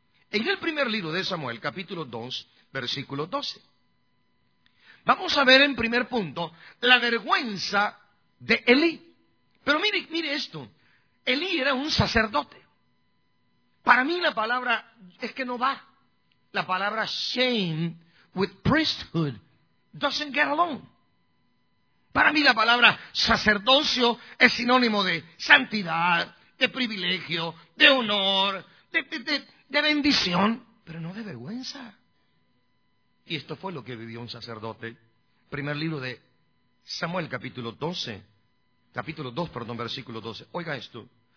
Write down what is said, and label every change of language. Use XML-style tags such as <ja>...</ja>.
<es>En el primer libro de Samuel, capítulo 2, versículo 12. Vamos a ver en primer punto la vergüenza de Elí. Pero mire, mire esto. Elí era un sacerdote. Para mí la palabra es que no va. La palabra</es> <en>shame with priesthood doesn't get along.</en> <es>Para mí la palabra sacerdocio es sinónimo de santidad, de privilegio, de honor, de bendición, pero no de vergüenza. Y esto fue lo que vivió un sacerdote. Primer libro de Samuel, capítulo 2, versículo 12. Oiga esto.</es>